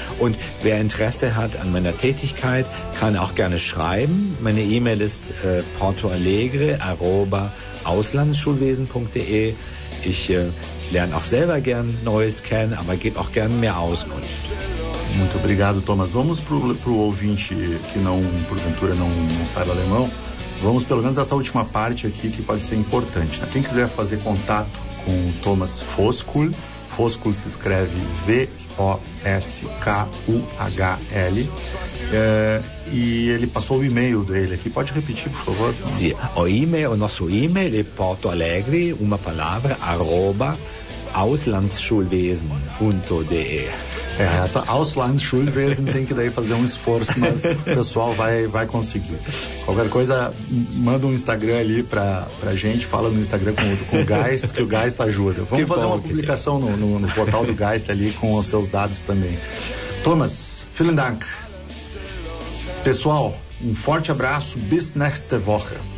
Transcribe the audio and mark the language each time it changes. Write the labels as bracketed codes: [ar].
[de] Und wer Interesse hat an meiner Tätigkeit, kann auch gerne schreiben. Meine E-Mail ist portoalegre@auslandsschulwesen.de. Ich lerne auch selber gern Neues kennen, aber gebe auch gern mehr Auskunft. [pt] Muito obrigado, Thomas. Vamos pro ouvinte que não, porventura, não saiba alemão. Vamos pelo menos essa última parte aqui que pode ser importante. Né? Quem quiser fazer contato com o Thomas Foskuhl, Foskuhl se escreve V-O-S-K-U-H-L. E ele passou o e-mail dele aqui. Pode repetir, por favor? Sim. O nosso e-mail é portoalegre, uma palavra, @auslandsschulwesen.de. Essa Auslandsschulwesen tem que daí fazer um esforço, mas o pessoal vai conseguir. Qualquer coisa, manda um Instagram ali pra gente, fala no Instagram com o Geist, que o Geist ajuda. Vamos que fazer uma publicação no portal do Geist ali com os seus dados também. [de] Thomas, vielen Dank. [pt] Pessoal, um forte abraço, [de] bis nächste Woche.